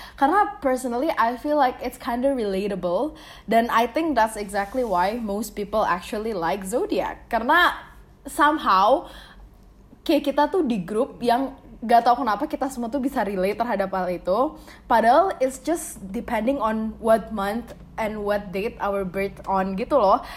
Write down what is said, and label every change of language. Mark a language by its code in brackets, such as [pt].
[en] Karena personally I feel like it's kinda relatable, dan I think that's exactly why most people actually like zodiak. [id] Karena somehow kayak kita tuh di grup yang gak tau kenapa kita semua tuh bisa relate terhadap hal itu. [en] Padahal it's just depending on what month and what date our birth on [id] gitu loh.